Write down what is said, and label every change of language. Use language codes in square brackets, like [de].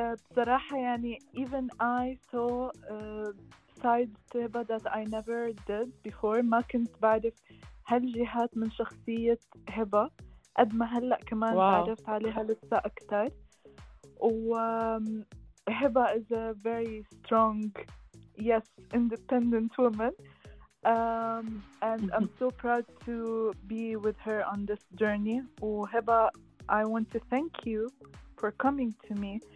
[ar] بصراحة يعني [en] even I saw sides to Hiba that I never did before. [ar] ما كنت بعرف هالجهات من شخصية هبة قد ما هلأ كمان عرفت عليها لسه أكتر. [en] وهبة is a very strong, yes, independent woman. And I'm so proud to be with her on this journey. وهبة, I want to thank you for coming to me.